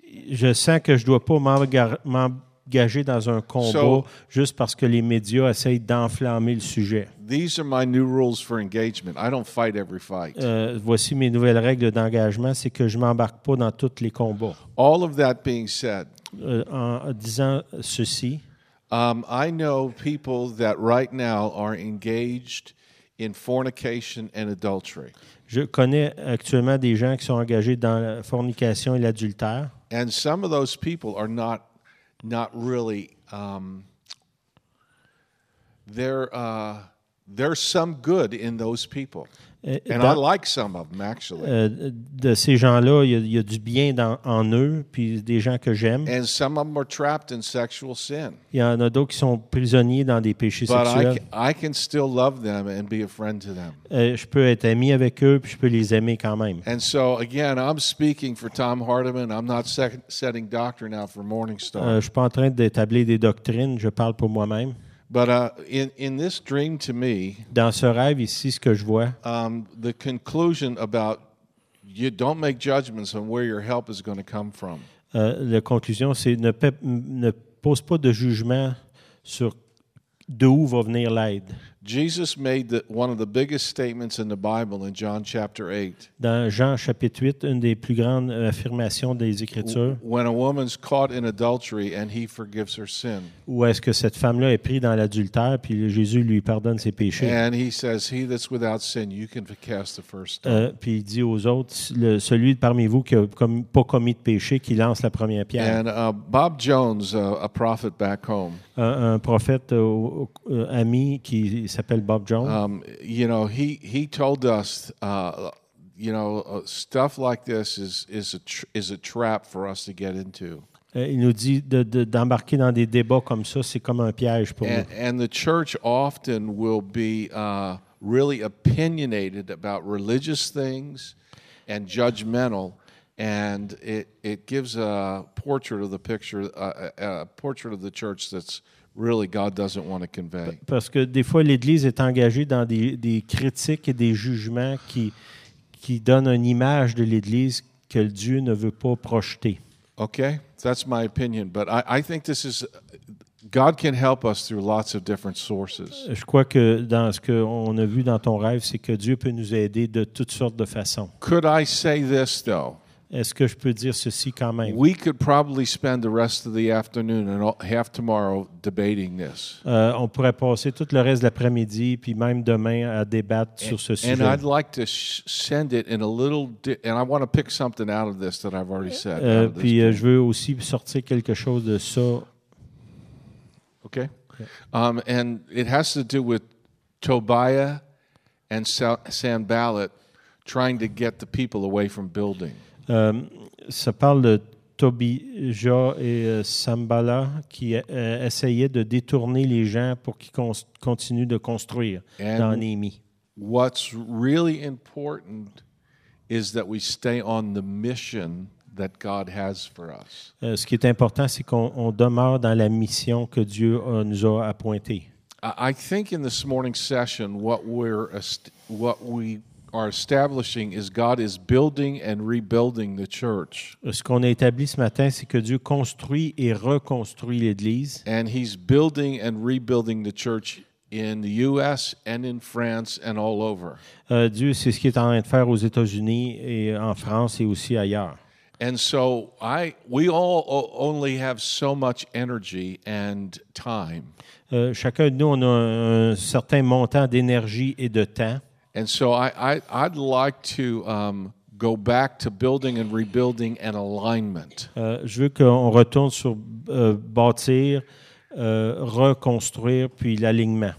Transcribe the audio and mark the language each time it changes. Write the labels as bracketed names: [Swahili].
[French] Je sens que je dois pas m'engager dans un combat juste parce que les médias essayent d'enflammer le sujet. [English] These are my new rules for engagement. I don't fight every fight. [French] Voici mes nouvelles règles d'engagement, c'est que je m'embarque pas dans tous les combats. [English] All of that being said, [French] en disant ceci, [English] I know people that right now are engaged in fornication and adultery. [French] Je connais actuellement des gens qui sont engagés dans la fornication et l'adultère. [English] And some of those people are not really there's some good in those people. And I like some of them actually. [French] De ces gens-là, il y a du bien dans en eux, puis des gens que j'aime. [English] And some of them are trapped in sexual sin. [French] Il y en a d'autres qui sont prisonniers dans des péchés [English] But [French] sexuels. [English] But I can still love them and be a friend to them. [French] Je peux être ami avec eux, puis je peux les aimer quand même. [English] And so again, I'm speaking for Tom Hardiman. I'm not setting doctrine out for Morningstar. [French] Je suis pas en train d'établir des doctrines, je parle pour moi-même. [English] But in this dream to me, [French] dans ce rêve ici, ce que je vois, [English] the conclusion about you don't make judgments on where your help is going to come from. [French] La conclusion, c'est ne pose pas de jugement sur d'où va venir l'aide. [English] Jesus made one of the biggest statements in the Bible in John chapter 8. [French] Dans Jean chapitre 8, une des plus grandes affirmations des Écritures. [English] When a woman's caught in adultery and he forgives her sin. [French] Où est-ce que cette femme-là est prise dans l'adultère puis Jésus lui pardonne ses péchés. [English] And he says, he that's without sin, you can cast the first stone. [French] Puis il dit aux autres, celui parmi vous qui n'a pas commis de péché, qui lance la première pierre. [English] And Bob Jones, a prophet back home. [French] Un prophète ami qui il s'appelle Bob Jones. [English] You know, he told us, you know, stuff like this is a trap for us to get into. [French] Il nous dit d'embarquer dans des débats comme ça, c'est comme un piège pour nous. [English] And the church often will be really opinionated about religious things and judgmental. And it gives a portrait of the picture, a portrait of the church that's really God doesn't want to convey. [French] Parce que des fois l'Église est engagée dans des critiques et des jugements qui donnent une image de l'Église que Dieu ne veut pas projeter. [English] Okay, that's my opinion, but I think this is God can help us through lots of different sources. [French] Je crois que dans ce qu'on a vu dans ton rêve, c'est que Dieu peut nous aider de toutes sortes de façons. [English] Could I say this though? [French] Est-ce que je peux dire ceci quand même? [English] We could probably spend the rest of the afternoon and half tomorrow debating this. [French] On pourrait passer tout le reste de l'après-midi puis même demain à débattre sur ce sujet. [English] And I'd like to send it in a little and I want to pick something out of this that I've already said. [French] Puis je veux aussi sortir quelque chose de ça. [English] Okay. And it has to do with Tobiah and Sanballat trying to get the people away from building. [French] Ça parle de Tobijah et Sambala qui essayaient de détourner les gens pour qu'ils continuent de construire [English] and [French] dans Néhémie. [English] What's really important is that we stay on the mission that God has for us. [French] Ce qui est important, c'est qu'on demeure dans la mission que Dieu nous a appointée. [English] I think in this morning's session, what we are establishing is God is building and rebuilding the church. [French] Ce qu'on a établi ce matin, c'est que Dieu construit et reconstruit l'Église. [English] And he's building and rebuilding the church in the U.S. and in France and all over. [French] Dieu, c'est ce qu'il est en train de faire aux États-Unis et en France et aussi ailleurs. [English] And so we all only have so much energy and time. [French] Chacun de nous, on a un certain montant d'énergie et de temps. [English] And so I'd like to go back to building and rebuilding and alignment. [French] Je veux qu'on retourne sur bâtir, reconstruire puis l'alignement.